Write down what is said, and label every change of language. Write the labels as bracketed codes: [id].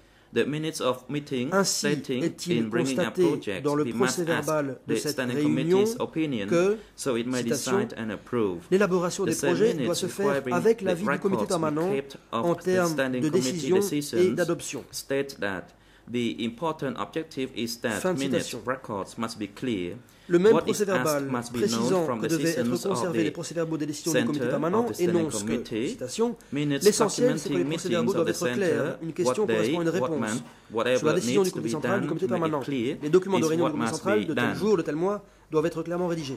[en] The minutes of meeting [fr] ainsi [en] stating [fr] est-il [en] in bringing [fr] constaté [en] up projects, [fr] dans le procès-verbal de cette réunion [en] opinion, [fr] que, [en] so it may [fr] citation, [en] and approve. [fr] L'élaboration des projets doit se faire avec l'avis du comité permanent en termes de décision et d'adoption. [en] State that the important objective is that minutes records must be clear. [fr] Le même procès-verbal précisant que devaient être conservés les procès-verbaux des décisions du comité permanent énonce que, citation, l'essentiel c'est que les procès-verbaux doivent être clairs, une question correspond à une réponse. Sur la décision du comité central, du comité permanent, les documents de réunion du comité central de tel jour, de tel mois, doivent être clairement rédigés.